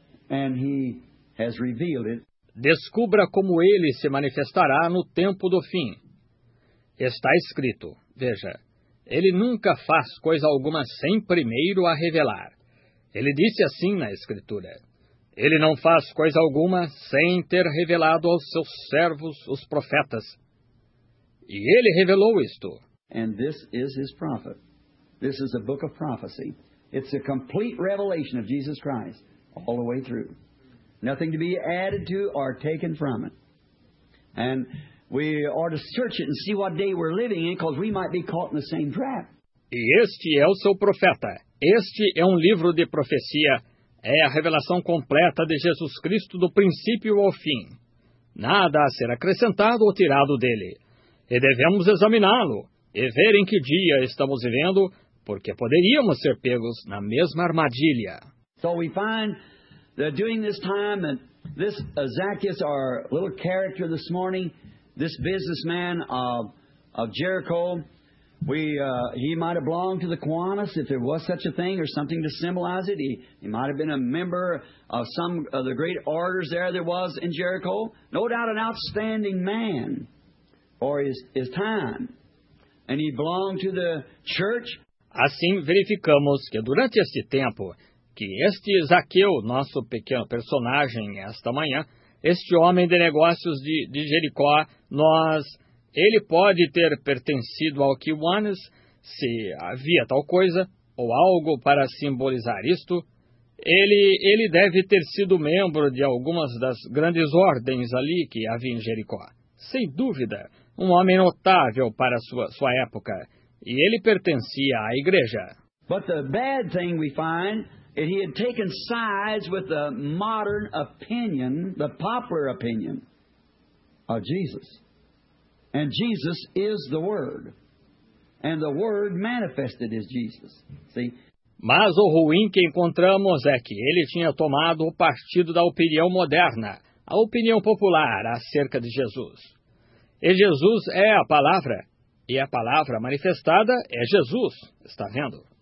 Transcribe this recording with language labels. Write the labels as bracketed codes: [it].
[en] And he has revealed it. [pt] Descubra como ele se manifestará no tempo do fim. Está escrito, veja, ele nunca faz coisa alguma sem primeiro a revelar. Ele disse assim na Escritura, ele não faz coisa alguma sem ter revelado aos seus servos, os profetas. E ele revelou isto. [en] And this is his prophet. This is a book of prophecy. It's a complete revelation of Jesus Christ all the way through. Nothing to be added to or taken from it. And we ought to search it and see what day we're living in, because we might be caught in the same trap. [pt] E este é o seu profeta. Este é um livro de profecia. É a revelação completa de Jesus Cristo do princípio ao fim. Nada a ser acrescentado ou tirado dele. E devemos examiná-lo e ver em que dia estamos vivendo, porque poderíamos ser pegos na mesma armadilha. [en] So we find that during this time and this Zacchaeus, our little character this morning, this businessman of Jericho, he might have belonged to the Kiwanis, if there was such a thing, or something to symbolize it. He might have been a member of some of the great orders there was in Jericho. No doubt an outstanding man for his time. And he belonged to the church. [pt] Assim verificamos que durante este tempo, que este Zaqueu, nosso pequeno personagem esta manhã, este homem de negócios de Jericó, ele pode ter pertencido ao Kiwanis, se havia tal coisa, ou algo para simbolizar isto. Ele deve ter sido membro de algumas das grandes ordens ali que havia em Jericó. Sem dúvida, um homem notável para sua época. E ele pertencia à igreja. [en] But the bad thing we find is he had taken sides with the modern opinion, the popular opinion of Jesus. And Jesus is the Word. And the Word manifested is Jesus. See? [pt] Mas o ruim que encontramos é que ele tinha tomado o partido da opinião moderna, a opinião popular acerca de Jesus. E Jesus é a palavra, e a palavra manifestada é Jesus, está vendo?